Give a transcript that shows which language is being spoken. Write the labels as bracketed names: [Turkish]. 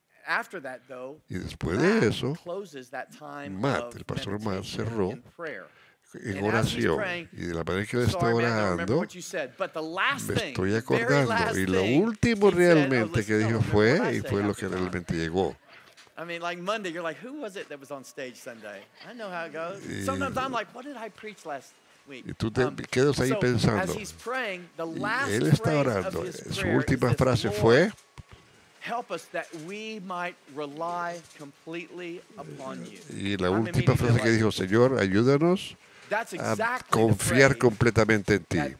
[English] After that, though, [Spanish] y después de eso, Matt, el pastor Matt, cerró en oración. Y de la manera que él está orando, me estoy acordando. Y lo último realmente que dijo fue, y fue lo que realmente llegó. [English] I mean, like Monday, you're like, who was it that was on stage Sunday? I know how it goes. Sometimes I'm like, what did I preach last week? [Spanish] Y tú te quedas ahí pensando. Y él está orando. Su última frase fue, [English] help us that we might rely completely upon you. [Spanish] Y la última frase que dijo, Señor, ayúdanos a confiar completamente en ti.